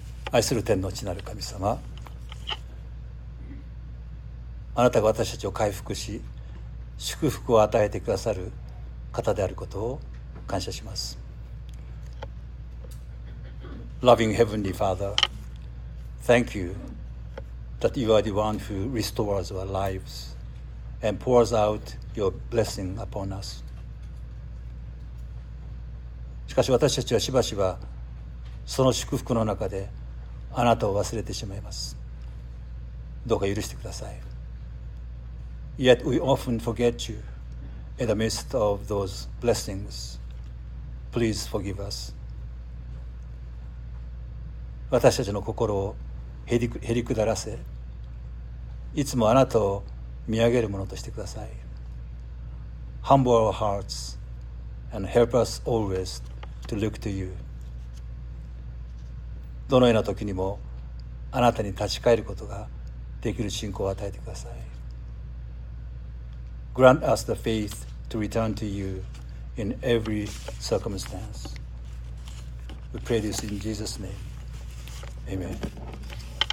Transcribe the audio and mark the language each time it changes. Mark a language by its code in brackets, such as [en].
[ja] 愛する天の地なる神様、あなたが私たちを回復し祝福を与えてくださる方であることを感謝します。 [en] Loving Heavenly Father, thank youThat you are the one who restores our lives and pours out your blessing upon us. [ja] しかし私たちはしばしばその祝福の中であなたを忘れてしまいます。どうか許してください。 [en] Yet we often forget you in the midst of those blessings. Please forgive us. [ja] 私たちの心をへりくだらせ、いつもあなたを見上げるものとしてください。 [en] Humble our hearts and help us always to look to you. [ja] どのような時にもあなたに立ち返ることができる信仰を与えてください。 [en] Grant us the faith to return to you in every circumstance. We pray this in Jesus' name. Amen.